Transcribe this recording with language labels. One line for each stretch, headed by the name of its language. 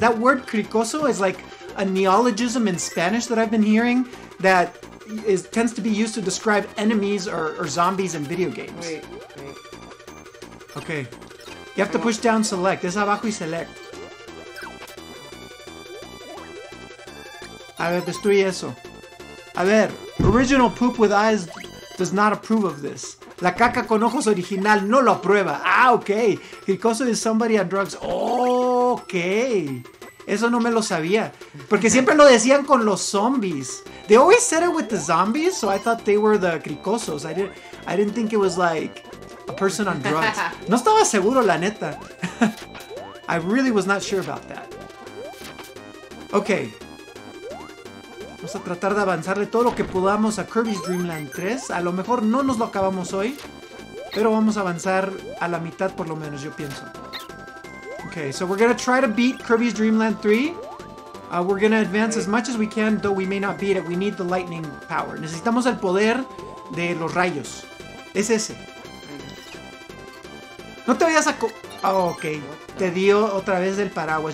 English: That word cricoso is like a neologism in Spanish that I've been hearing that is tends to be used to describe enemies or zombies in video games. Wait. Ok. You have to push down select. Es abajo y select.
Spanish: A ver, destruye eso.
English: A ver, original poop with eyes does not approve of this.
Spanish: La caca con ojos original no lo aprueba.
English: Ah, ok. Cricoso is somebody on drugs. Ok.
Spanish: Eso no me lo sabía. Porque siempre lo decían con los zombies.
English: They always said it with the zombies, so I thought they were the cricosos. I didn't think it was like a person on drugs. No estaba seguro, la neta. I really was not sure about that. Ok.
Spanish: Vamos a tratar de avanzarle todo lo que podamos a Kirby's Dream Land 3. A lo mejor no nos lo acabamos hoy, pero vamos a avanzar a la mitad por lo menos, yo pienso.
English: Okay, so we're gonna try to beat Kirby's Dream Land 3. We're gonna advance as much as we can, though we may not beat it. We need the lightning power.
Spanish: Necesitamos el poder de los rayos. Es ese. No te vayas a... okay. Te dio otra vez el paraguas.